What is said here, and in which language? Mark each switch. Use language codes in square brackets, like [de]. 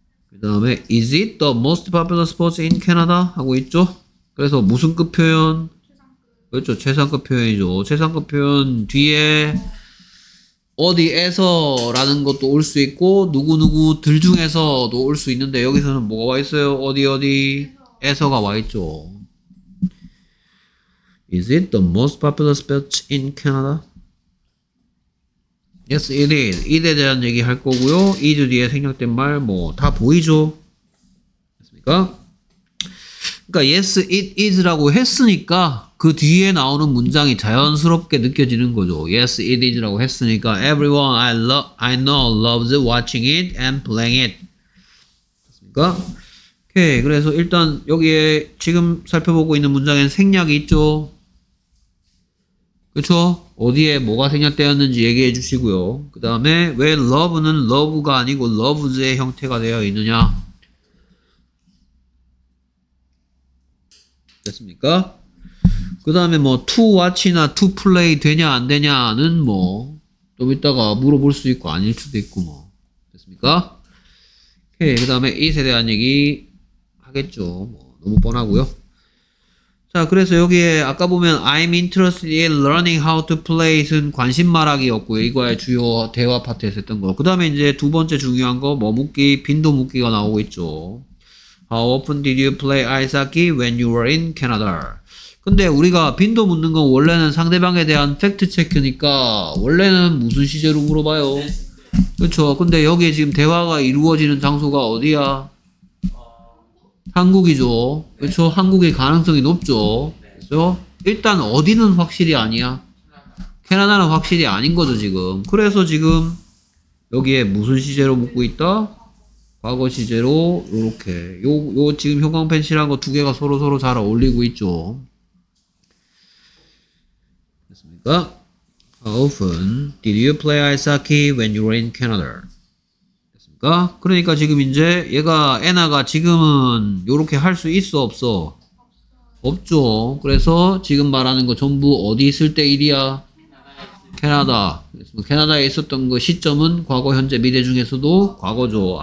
[ko] 그 다음에 [en] Is it the most popular sports in Canada? [ko] 하고 있죠? 그래서 무슨 급 표현? 최상급. 그렇죠. 최상급 표현이죠. 최상급 표현 뒤에 어디에서 라는 것도 올 수 있고 누구누구들 중에서도 올 수 있는데 여기서는 뭐가 와 있어요? 어디에서가 와 있죠. [en] Is it the most popular sports in Canada? Yes, it is. [ko] It에 대한 얘기 할 거고요. Is 뒤에 생략된 말 뭐 다 보이죠? 됐습니까? 그러니까 [en] yes, it is [ko] 라고 했으니까 그 뒤에 나오는 문장이 자연스럽게 느껴지는 거죠. [en] Yes, it is라고 [ko] 했으니까 [en] everyone I know loves watching it and playing it. [ko] 됐습니까? 오케이, 그래서 일단 여기에 지금 살펴보고 있는 문장에는 생략이 있죠. 그쵸? 어디에 뭐가 생략되었는지 얘기해 주시고요. 그 다음에 왜 love는 love가 아니고 loves의 형태가 되어 있느냐? 됐습니까? 그 다음에 뭐 to watch나 to play 되냐 안 되냐는 뭐 좀 이따가 물어볼 수 있고 아닐 수도 있고 뭐 됐습니까? 오케이, 그 다음에 it에 대한 얘기 하겠죠. 뭐 너무 뻔하고요. 자, 그래서 여기에 아까 보면 [en] I'm interested in learning how to play [ko] 는 관심 말하기였고요. 이거의 주요 대화 파트에서 했던 거. 그 다음에 이제 두 번째 중요한 거 뭐 묻기, 빈도 묻기가 나오고 있죠. [en] How often did you play ice hockey when you were in Canada? [ko] 근데 우리가 빈도 묻는 건 원래는 상대방에 대한 팩트 체크니까 원래는 무슨 시제로 물어봐요. 그렇죠. 근데 여기에 지금 대화가 이루어지는 장소가 어디야? 한국이죠. 그렇죠. 한국의 가능성이 높죠. 그렇죠. 일단 어디는 확실히 아니야. 캐나다는 확실히 아닌 거죠 지금. 그래서 지금 여기에 무슨 시제로 묻고 있다? 과거 시제로 이렇게 요 지금 형광펜실한 거 두 개가 서로 잘 어울리고 있죠. 됐습니까? [en] How often did you play ice hockey when you were in Canada? [ko] 됐습니까? 그러니까 지금 이제 얘가 애나가 지금은 요렇게 할 수 있어 없어? 없죠. 그래서 지금 말하는 거 전부 어디 있을 때 일이야? 캐나다. 캐나다에 있었던 그 시점은 과거, 현재, 미래 중에서도 과거죠.